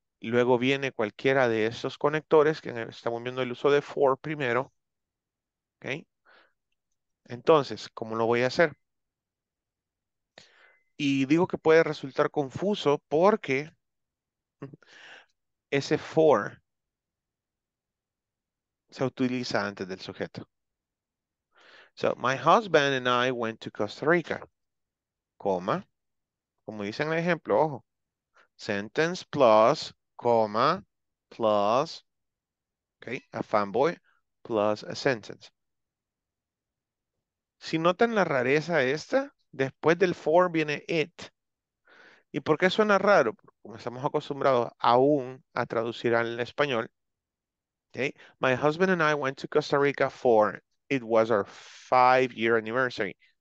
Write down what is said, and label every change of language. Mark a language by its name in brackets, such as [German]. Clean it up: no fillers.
[Spanish] Luego viene cualquiera de esos conectores que estamos viendo el uso de for primero. ¿Okay? Entonces, ¿cómo lo voy a hacer? Y digo que puede resultar confuso porque ese for se utiliza antes del sujeto. [English] So, my husband and I went to Costa Rica. [Spanish] Coma. Como dice en el ejemplo, ojo. [English] Sentence plus coma, plus, okay, a fanboy, plus a sentence. [Spanish] Si notan la rareza esta, después del for viene it. ¿Y por qué suena raro? Como estamos acostumbrados aún a traducir al español. [English] Okay, my husband and I went to Costa Rica for, it was our 5-year anniversary.